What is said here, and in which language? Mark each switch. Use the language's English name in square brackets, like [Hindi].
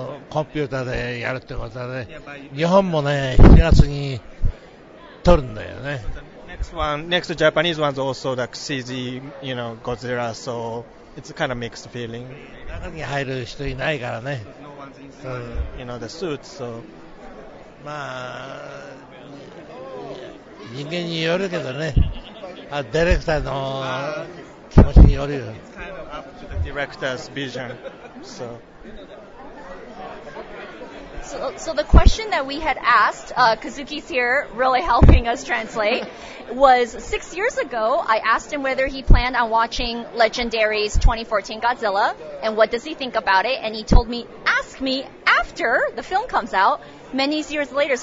[Japanese] コンピューターでやるってことはね。日本もね、7月に。撮るんだよね。 [English] Next Japanese one's also the CG, you know, Godzilla, so it's kind of mixed feeling. [Japanese] 中に入る人いないからね。 [English] So, you know, the suit, so. [Japanese] まあ、人間によるけどね。あ、ディレクターの気持ちによるよ。 [English] It's kind of up to the director's vision, so. So the question that we had asked, Kazuki's here really helping us translate, was 6 years ago, I asked him whether he planned on watching Legendary's 2014 Godzilla, and what does he think about it, and he told me, ask me after the film comes out, many years later.